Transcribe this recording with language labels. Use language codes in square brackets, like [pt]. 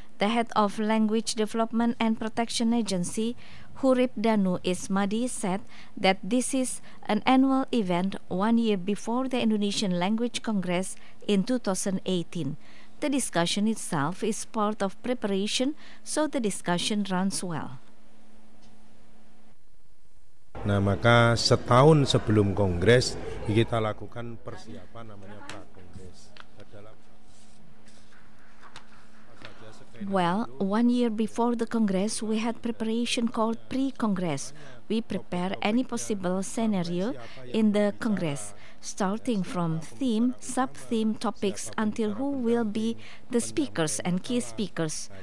[en] The head of Language Development and Protection Agency, Hurip Danu Ismadi, said that this is an annual event 1 year before the Indonesian Language Congress in 2018. The discussion itself is part of preparation, so the discussion runs well. [id] Nah, maka setahun sebelum kongres kita lakukan persiapan namanya pra-kongres. [en] Well, 1 year before the Congress, we had preparation called pre-Congress. We prepare any possible scenario in the Congress, starting from theme, sub-theme topics until who will be the speakers and key speakers.